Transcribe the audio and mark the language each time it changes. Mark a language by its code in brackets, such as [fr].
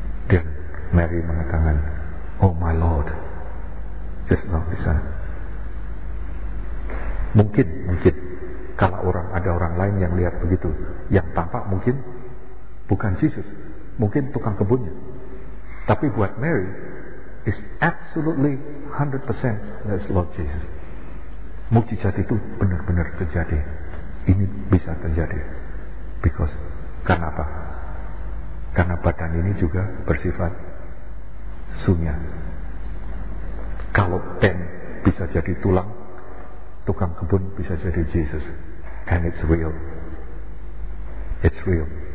[id] Dan Mary mengatakan, [en] "Oh my Lord, just now [id] di sana." Mungkin kalau orang ada orang lain yang lihat begitu, yang tampak mungkin bukan Yesus, mungkin tukang kebunnya. Tapi buat Mary, [en] is absolutely 100% that's Lord Jesus. [id] Mukjizat itu benar-benar terjadi. Ini bisa terjadi. [en] Because, [id] karena apa? Karena badan ini juga bersifat sunya. Kalau pen bisa jadi tulang, tukang kebun bisa jadi Jesus. [en] And it's real. It's real.